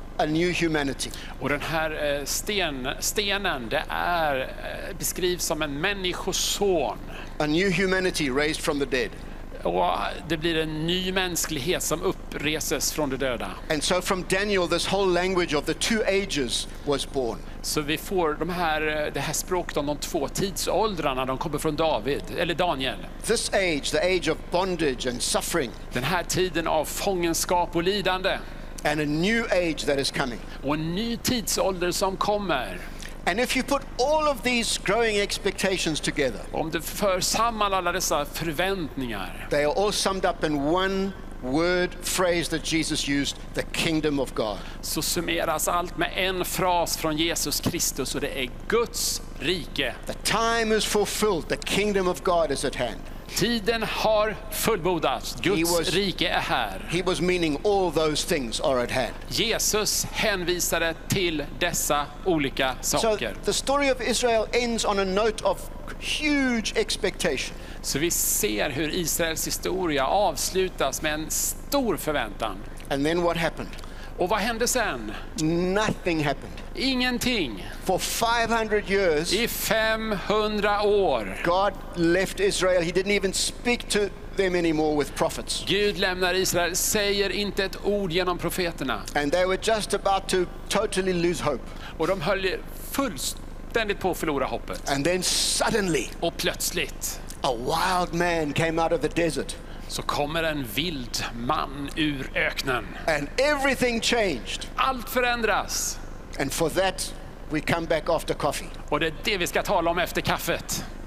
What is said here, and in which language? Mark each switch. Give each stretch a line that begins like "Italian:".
English: a new humanity.
Swedish: Och den här stenen, det är beskrivs som en människoson.
English: A new humanity raised from the dead.
Swedish: Och det blir en ny mänsklighet som uppreses från de döda.
English: And so from Daniel this whole language of the two ages was born.
Swedish: Så vi får det här språket om de två tidsåldrarna, de kommer från David eller Daniel.
English: This age, the age of bondage and suffering.
Swedish: Den här tiden av fångenskap och lidande.
English: And a new age that is coming.
Swedish: Och en ny tidsålder som kommer.
English: And if you put all of these growing expectations together.
Swedish: Om du för samman alla dessa förväntningar.
English: They are all summed up in one word phrase that Jesus used, the kingdom of God.
Swedish: Så summeras allt med en fras från Jesus Kristus och det är Guds rike.
English: The time is fulfilled, the kingdom of God is at hand.
Swedish: Tiden har fullbordats. Guds rike är här.
English: He was meaning all those things are at hand.
Swedish: Jesus hänvisade till dessa olika saker.
English: So the story of Israel ends on a note of huge expectation.
Swedish: Så vi ser hur Israels historia avslutas med en stor förväntan.
English: And then what happened?
Swedish: Och vad hände sen?
English: Nothing happened.
Swedish: Ingenting.
English: For 500 years.
Swedish: I 500 år.
English: God left Israel. He didn't even speak to them anymore with prophets.
Swedish: Gud lämnar Israel, säger inte ett ord genom profeterna.
English: And they were just about to totally lose hope.
Swedish: Och de höll fullständigt på att förlora hoppet.
English: And then suddenly.
Swedish: Och plötsligt.
English: A wild man came out of the desert.
Swedish: Så kommer en vild man ur öknen.
English: And everything changed.
Swedish: Allt förändras.
English: And for that we come back after coffee.
Swedish: Och det är det vi ska tala om efter kaffet.